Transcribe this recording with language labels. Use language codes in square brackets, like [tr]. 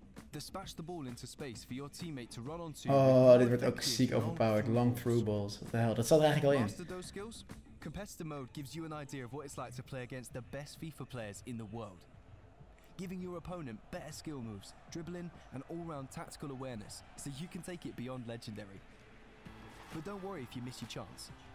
[en] Dispatch the ball into space for your teammate to run onto. [nl] Oh, dit wordt ook ziek overpowered. [en] Long through balls. What the hell? [nl] Dat zat er eigenlijk al in. [en] Competitive mode gives you an idea of what it's like to play against the best FIFA players in the world. Giving your opponent better skill moves, dribbling and all-round tactical awareness so you can take it beyond legendary. But don't worry if you miss your chance.